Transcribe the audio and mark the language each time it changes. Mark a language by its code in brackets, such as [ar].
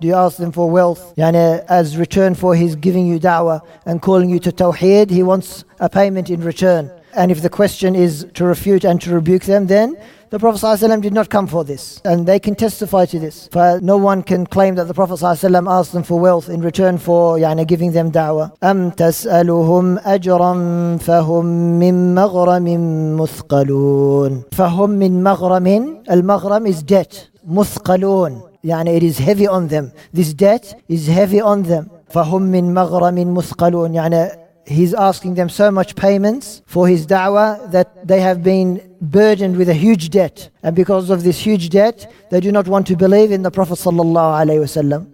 [en] Do you ask them for wealth? Yani as return for His giving you da'wah and calling you to tawheed, He wants a payment in return. And if the question is to refute and to rebuke them, then the Prophet ﷺ did not come for this. And they can testify to this. For no one can claim that the Prophet ﷺ asked them for wealth in return for giving them da'wah. [ar] أَمْ تَسْأَلُهُمْ أَجْرًا فَهُمْ مِنْ مَغْرَمٍ مُثْقَلُونَ. فَهُمْ مِنْ مَغْرَمٍ. [en] Al-maghram is debt. [ar] مُثْقَلُونَ. [en] يعني it is heavy on them. This debt is heavy on them. [ar] فَهُمْ مِنْ مَغْرَمٍ مُثْقَلُونَ يعني [en] he's asking them so much payments for his da'wah that they have been burdened with a huge debt. And because of this huge debt, they do not want to believe in the Prophet sallallahu alayhi wasallam.